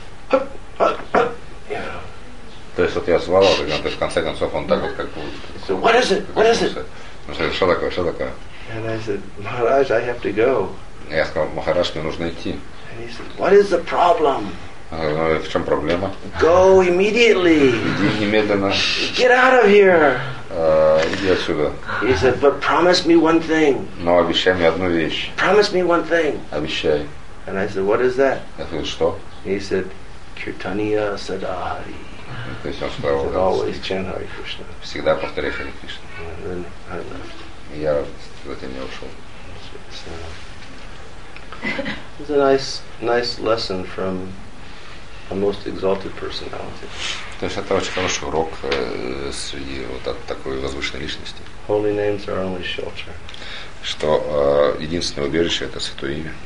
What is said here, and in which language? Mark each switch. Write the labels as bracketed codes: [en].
[ru] То есть вот я звал, то есть в конце концов он так вот как бы... [en] So what is it? What is it? [ru] Что такое? Что такое? [en] And I said, Maharaj, I have to go. [ru] Я сказал, Махарадж, мне нужно идти. [en] And he said, what is the problem? [ru] В чем проблема? [en] Go immediately. [ru] Иди немедленно. [en] Get out of here. [ru] Иди отсюда. [en] He said, but promise me one thing. [ru] Но обещай мне одну вещь. [en] Promise me one thing. [ru] Обещай. [en] And I said, what is that? [ru] Я сказал, что? [en] He said, Kirtaniya Sadahari. [ru] То есть он сказал, [en] said, always chant Hare Krishna. [ru] Всегда повторяй Hare Krishna. [en] And then I left. [ru] Я затем не ушел. [en] It's a nice lesson from a most exalted personality. [ru] То есть это очень хороший урок среди вот такой возвышенной личности. [en] Holy names are only shelter. [ru] Что единственное убежище это святое имя.